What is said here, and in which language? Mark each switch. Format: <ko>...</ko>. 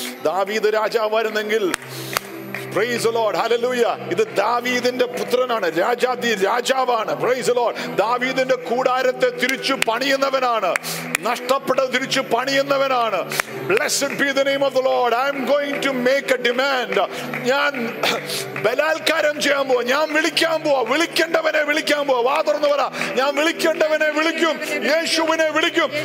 <ml>ദാവീദ് രാജാവായിരുന്നെങ്കിൽ,</ml> <en>Praise the Lord, hallelujah,</en> <ml>ഇത് ദാവീദിന്റെ പുത്രനാണ്, രാജാദി രാജാവാണ്.</ml> <en>Praise the Lord,</en> <ml>ദാവീദിന്റെ കൂടാരത്തെ തിരിച്ചു പണിയുന്നവനാണ്, നഷ്ടപ്പെട്ട തിരിച്ചു പണിയുന്നവനാണ്.</ml> <en>Blessed be the name of the Lord. I am going to make a demand.</en> <ml>ഞാൻ ബലാത്കാരം ചെയ്യാൻ പോവാ, ഞാൻ വിളിക്കാൻ പോവാ, വിളിക്കേണ്ടവനെ വിളിക്കാൻ പോവാ. വാ തുറന്ന് പറ, ഞാൻ വിളിക്കേണ്ടവനെ വിളിക്കും, യേശുവിനെ വിളിക്കും.</ml>